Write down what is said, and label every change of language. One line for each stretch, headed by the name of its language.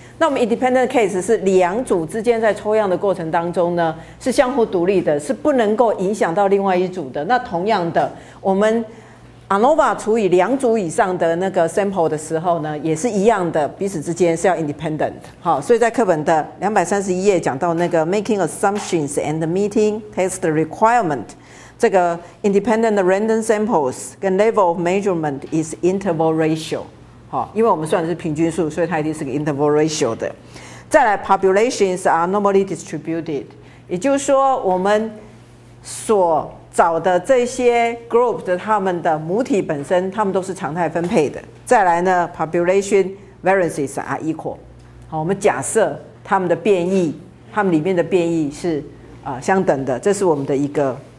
Chinese: 那我们 independent case 是两组之间在抽样的过程当中呢，是相互独立的，是不能够影响到另外一组的。那同样的，我们 ANOVA 除以两组以上的那个 sample 的时候呢，也是一样的，彼此之间是要 independent。好，所以在课本的231页讲到那个
English: making assumptions and meeting test requirement，
Chinese: 这个
English: independent random samples
Chinese: 跟
English: level of measurement is interval ratio。
Chinese: 因为我们算的是平均数，所以它一定是个 interval ratio 的。再来
English: populations are normally distributed，
Chinese: 也就是说我们所找的这些 group 的他们的母体本身他们都是常态分配的。再来呢，
English: population variances are equal，
Chinese: 好，我们假设他们的变异，他们里面的变异是相等的，这是我们的一个